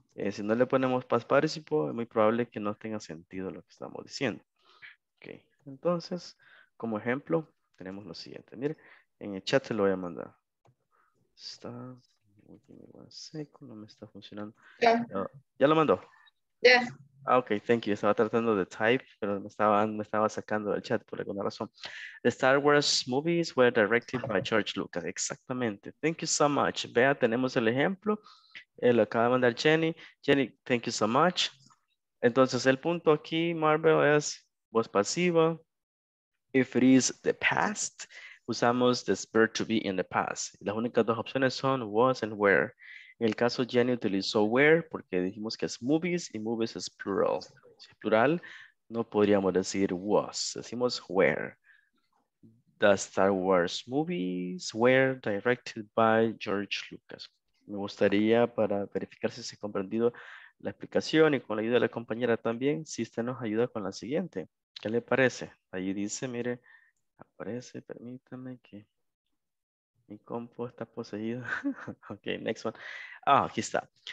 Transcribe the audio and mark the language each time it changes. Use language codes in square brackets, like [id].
[es] Si no le ponemos past participle, es muy probable que no tenga sentido lo que estamos diciendo. Okay. Entonces, como ejemplo, tenemos lo siguiente. Mire, En el chat te lo voy a mandar. Está. No me está funcionando. Ya lo mandó. [en] Yeah. Okay, thank you. [es] Estaba tratando de type, pero me estaba sacando del chat por alguna razón. [en] The Star Wars movies were directed by George Lucas. [es] Exactamente. [en] Thank you so much. [es] Vea, tenemos el ejemplo. Lo acaba de mandar Jenny. Jenny, [en] thank you so much. [es] Entonces, el punto aquí, Marvel, es voz pasiva. [en] If it is the past, usamos this verb to be in the past. [es] Las únicas dos opciones son was and were. En el caso, Jenny utilizó were porque dijimos que es movies y movies es plural. Si es plural, no podríamos decir was. Decimos were. [en] The Star Wars movies were directed by George Lucas. [es] Me gustaría, para verificar si se ha comprendido la explicación y con la ayuda de la compañera también, si usted nos ayuda con la siguiente. ¿Qué le parece? Ahí dice, mire, aparece, permítame que mi compu está poseído. [en] Ok, next one. [es] Ah, aquí está.